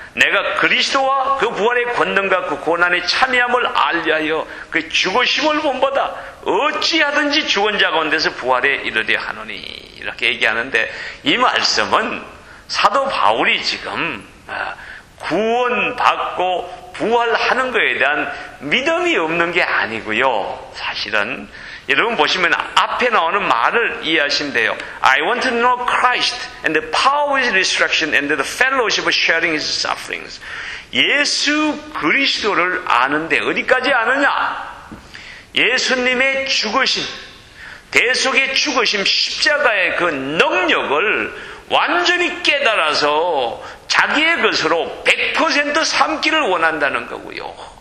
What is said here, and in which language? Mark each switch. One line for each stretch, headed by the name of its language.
Korean: 내가 그리스도와 그 부활의 권능과 그 고난의 참여함을 알려하여 그 죽으심을 본받아 어찌하든지 죽은 자 가운데서 부활에 이르려 하노니 이렇게 얘기하는데 이 말씀은 사도 바울이 지금 구원받고 부활하는 것에 대한 믿음이 없는 게 아니고요. 사실은 여러분 보시면 앞에 나오는 말을 이해하시면 돼요.
English: I want to know Christ and the power of his resurrection and the fellowship of sharing his sufferings.
Korean: 예수 그리스도를 아는데 어디까지 아느냐? 예수님의 죽으심, 대속의 죽으심, 십자가의 그 능력을 완전히 깨달아서 자기의 것으로 100% 삼기를 원한다는 거고요.